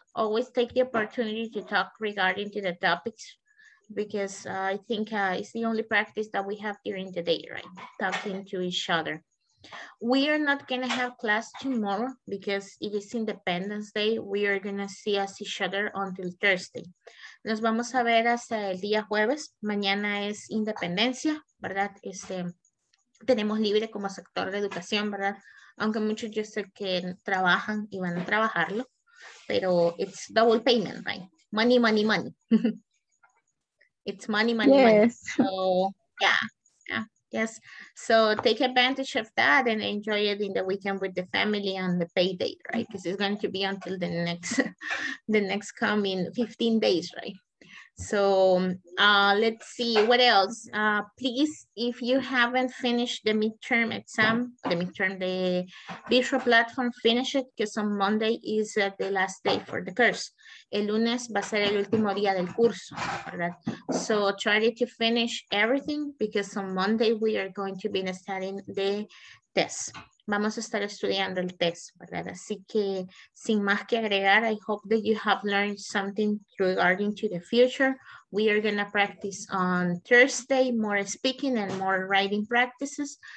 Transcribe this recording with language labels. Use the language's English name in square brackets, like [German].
[English] Always take the opportunity to talk regarding to the topics, because I think it's the only practice that we have during the day, right, talking to each other. We are not going to have class tomorrow because it is Independence Day. We are going to see us each other until Thursday. [Spanish] Nos vamos a ver hasta el día jueves. Mañana es Independencia, ¿verdad? Tenemos libre como sector de educación, ¿verdad? Aunque muchos yo sé que trabajan y van a trabajarlo. Pero [English] it's double payment, right? Money, money, money. It's money, money, yes. Money. So, yes. So take advantage of that and enjoy it in the weekend with the family on the pay date, right? Because it's going to be until the next coming 15 days, right? So let's see what else. Please, if you haven't finished the midterm exam, the visual platform, finish it, because on Monday is the last day for the course. [Spanish] El lunes va a ser el último día del curso, ¿verdad? [English] So try to finish everything, because on Monday we are going to be studying the test. [Spanish] Vamos a estar estudiando el test, ¿verdad? Así que, sin más que agregar, [English] I hope that you have learned something regarding to the future. We are going to practice on Thursday, more speaking and more writing practices.